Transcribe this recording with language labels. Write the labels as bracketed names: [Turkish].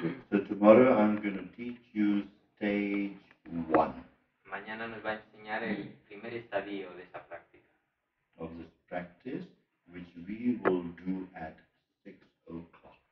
[English] So tomorrow I'm going to teach you stage one. [Spanish] Mañana nos va a enseñar el primer estadio de esa práctica. [English] Of this practice, which we will do at 6 o'clock.